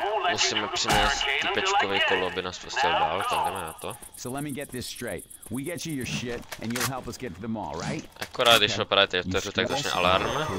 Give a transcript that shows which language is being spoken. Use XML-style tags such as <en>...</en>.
<cs>Musíme přinést typečkový kolo, aby nás pustil dál, tak jdeme na to.</cs> <en>So let me get this straight. We get you your shit and you'll help us get to the mall, right?</en> <cs>Akorát, když ho právě teď otevřu, tak začne alarm.</cs>